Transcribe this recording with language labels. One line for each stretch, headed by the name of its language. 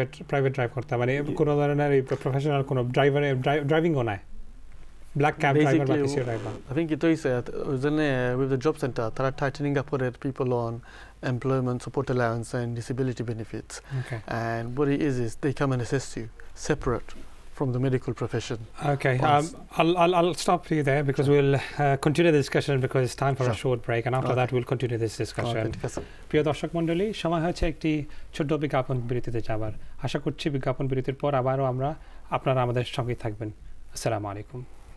Bangla: Private drive করতাম মানে কোন ধরনের প্রফেশনাল কোন ড্রাইভার ড্রাইভিং ও না ব্ল্যাক ক্যাব ড্রাইভার বা PCO driver
English: I think it is ozone with the job centre তারা tightening up for people on employment support allowance and disability benefits and what is they come and assess you separate from the medical profession. Okay, I'll stop you there because we'll continue the discussion because it's time for a short break and after that we'll continue this discussion.
Bangla: প্রিয় দর্শক মণ্ডলী, সময় হয়েছে একটি ছোট বিজ্ঞাপন বিরতিতে যাওয়ার। আশা করছি বিজ্ঞাপন বিরতির পর আবারও আমরা আপনারা আমাদের সঙ্গে থাকবেন। আসসালামু আলাইকুম।